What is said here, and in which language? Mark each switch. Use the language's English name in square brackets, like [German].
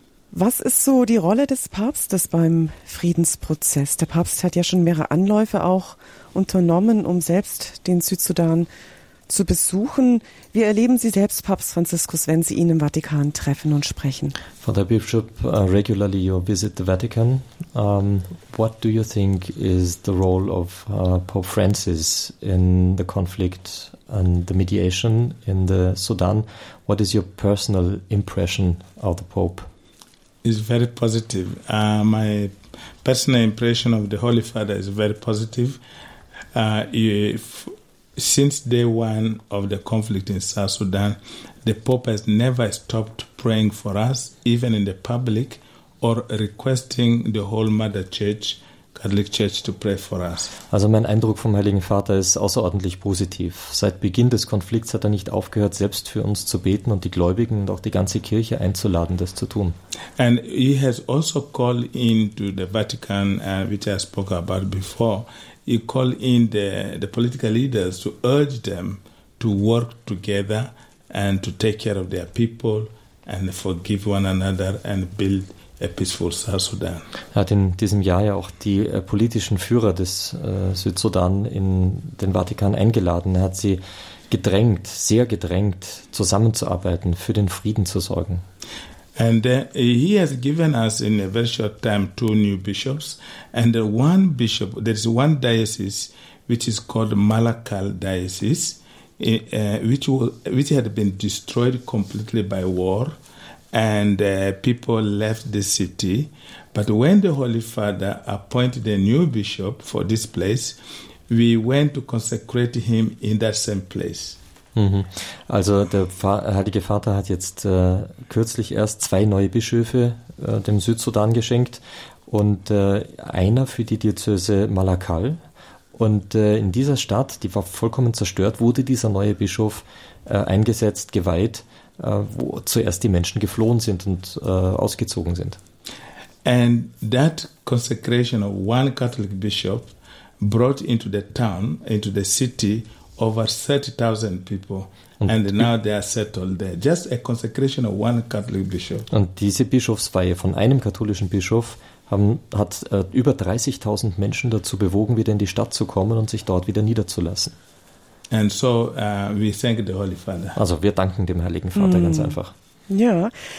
[German] Was ist so die Rolle des Papstes beim Friedensprozess? Der Papst hat ja schon mehrere Anläufe auch unternommen, um selbst den Südsudan zu besuchen. Wie erleben Sie selbst Papst Franziskus, wenn Sie ihn im Vatikan treffen und sprechen? [English] Father Bishop, regularly you visit the Vatican. What do you think is the role of Pope Francis in the conflict and the mediation in the Sudan? What is your personal impression of the Pope? It's very positive. My personal impression of the Holy Father is very positive. Since day one of the conflict in South Sudan, the Pope has never stopped praying for us, even in the public, or requesting the whole Mother Church, Catholic Church, to pray for us. [German] Also mein Eindruck vom Heiligen Vater ist außerordentlich positiv. Seit Beginn des Konflikts hat er nicht aufgehört, selbst für uns zu beten und die Gläubigen und auch die ganze Kirche einzuladen, das zu tun. [English] And he has also called into the Vatican, which I spoke about before. He called in the political leaders to urge them to work together and to take care of their people and forgive one another and build a peaceful South Sudan. [German] Er hat in diesem Jahr ja auch die politischen Führer des Südsudan in den Vatikan eingeladen. Er hat sie gedrängt, sehr gedrängt, zusammenzuarbeiten, für den Frieden zu sorgen. [English] And he has given us in a very short time two new bishops. And one bishop, there is one diocese, which is called Malakal Diocese, which had been destroyed completely by war. And people left the city. But when the Holy Father appointed a new bishop for this place, we went to consecrate him in that same place. [German] Also der Heilige Vater hat jetzt kürzlich erst zwei neue Bischöfe dem Südsudan geschenkt und einer für die Diözese Malakal. Und in dieser Stadt, die war vollkommen zerstört, wurde dieser neue Bischof eingesetzt, geweiht, wo zuerst die Menschen geflohen sind und ausgezogen sind. [English] And that consecration of one Catholic bishop brought into the town, into the city, over 30,000 people, and now they are settled there. Just a consecration of one Catholic bishop. [German] Und diese Bischofsweihe von einem katholischen Bischof hat über 30,000 Menschen dazu bewogen, wieder in die Stadt zu kommen und sich dort wieder niederzulassen. [English] And so we thank the Holy Father. [German] Also wir danken dem Heiligen Vater ganz einfach. Ja.